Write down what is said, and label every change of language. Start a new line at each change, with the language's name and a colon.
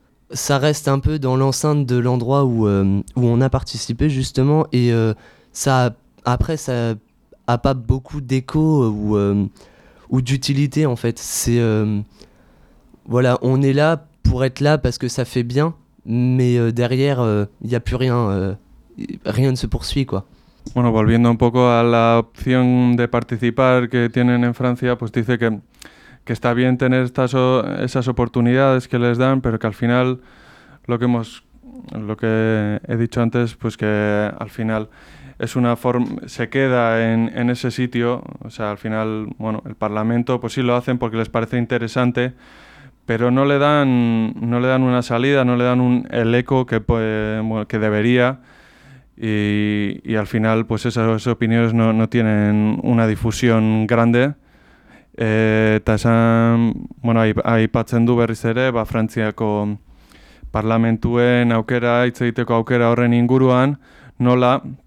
French: ça reste un peu dans l'enceinte de l'endroit où on a participé justement, et ça a pas beaucoup d'écho ou d'utilité en fait, c'est voilà, on est là pour être là parce que ça fait bien, mais derrière, il n'y a plus rien, rien ne se poursuit, quoi.
Spanish: Bueno, volviendo un poco a la opción de participar que tienen en Francia, pues dice que está bien tener esas oportunidades que les dan, pero que al final lo que he dicho antes, pues que al final es una forma, se queda en ese sitio, o sea, al final, bueno, el Parlamento pues sí lo hacen porque les parece interesante, pero no le dan una salida, no le dan el eco que bueno, que debería. Y al final, pues esas opiniones no tienen una difusión grande.
Basque: Eta esan, bueno, aipatzen du berriz ere, ba, Frantziako parlamentuen aukera, hitz egiteko aukera horren inguruan, nola,